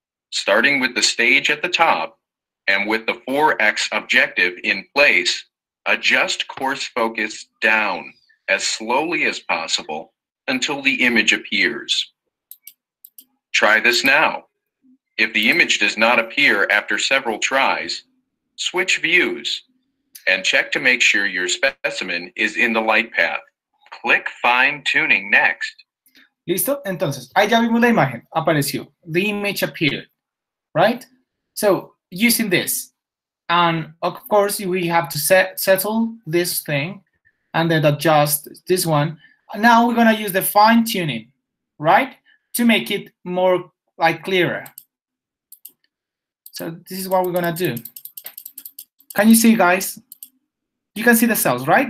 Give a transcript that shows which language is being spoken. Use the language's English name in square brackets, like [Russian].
[English] Starting with the stage at the top and with the 4X objective in place, adjust coarse focus down as slowly as possible until the image appears. Try this now. If the image does not appear after several tries, switch views and check to make sure your specimen is in the light path. Click fine tuning next. [Spanish] Listo, entonces, ahí ya vimos la imagen, apareció. [English] The image appeared, right? So, using this, and of course we have to settle this thing and then adjust this one. Now we're gonna use the fine tuning, right? To make it more like clearer. So this is what we're gonna do. Can you see, guys? You can see the cells, right?